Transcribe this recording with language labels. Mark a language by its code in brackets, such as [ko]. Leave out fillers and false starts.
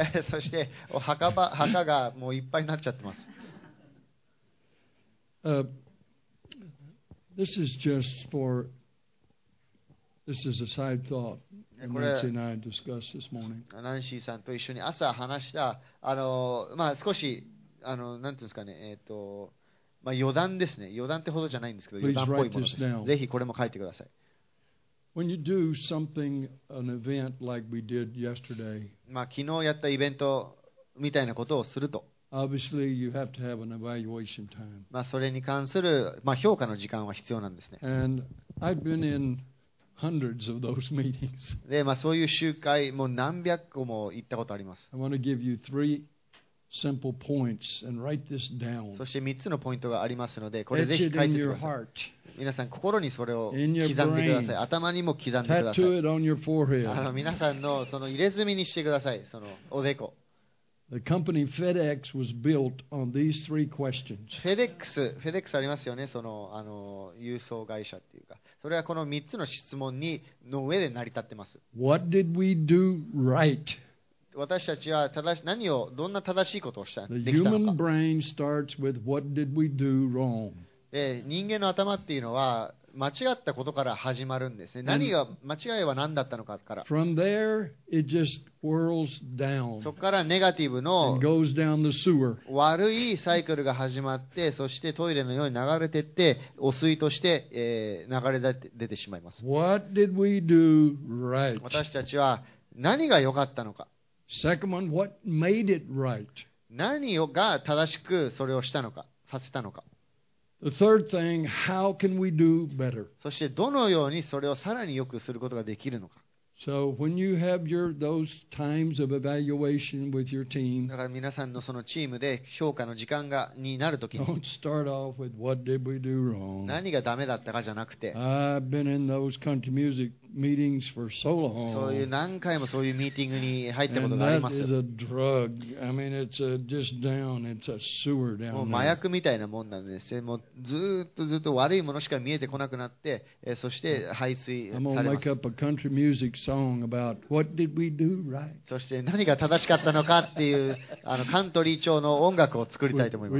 [ja] そして墓がもういっぱいになっちゃってます。 [en] This is just for this is a side thought Nancy and I discussed this morning. [ja] ナンシーさんと一緒に朝話したまあ少しなんていうんですかね余談ですね。余談ってほどじゃないんですけど、余談っぽいものです。ぜひこれも書いてください。 [en] When you do something, an event like we did yesterday, [ja] 昨日やったイベントみたいなことをすると、 [en] obviously you have to have an evaluation time. [ja] それに関する評価の時間は必要なんですね。 [en] And I've been in hundreds of those meetings. [ja] で、そういう集会も何百個も行ったことあります。 [en] I want to give you threeSimple points and write this down. [ja] そして3つのポイントがありますので、これぜひ書いてください。皆さん、心にそれを刻んでください。頭にも刻んでください。皆さんの、その入れ墨にしてください。そのおでこ。 [en] The company FedEx was built on these three questions. [ja] FedEx ありますよね。その郵送会社っていうか、それはこの3つの質問にの上で成り立ってます。 [en] What did we do right? [ja] 私たちは正し何をどんな正しいことをしたできたのか。 [en] The human brain starts with what did we do wrong. [ja] 人間の頭っていうのは間違ったことから始まるんですね。何が間違いは何だったのかから。 [en] From there it just whirls down. [ja] そこからネガティブの [en] goes down the sewer. [ja] 悪いサイクルが始まって、そしてトイレのように流れてって汚水として、流れ出てしまいます。 [en] What did we do right? [ja] 私たちは何が良かったのか。 [en] Second one, what made it right? [ja] 何が正しくそれをしたのか、させたのか。 [en] The third thing, how can we do better? [ja] そしてどのようにそれをさらに良くすることができるのか。 [en] So when you have your those times of evaluation with your team, [ja] だから皆さんのそのチームで評価の時間がになるときに、 [en] don't start off with what did we do wrong. [ja] 何がダメだったかじゃなくて、 [en] I've been in those country music meetings for so long. [ja] そういう何回もそういうミーティングに入ったことがあります。 [en] And that is a drug. I mean, it's a, just down. It's a sewer down there. [ja] もう麻薬みたいなもんなんです。もうずっとずっと悪いものしか見えてこなくなって、そして排水されます。 [en] I'm gonna make up a country musicSong about what did we do right? [ja] そして何が正しかったのかっていうあのカントリー調の音楽を作りたいと思います。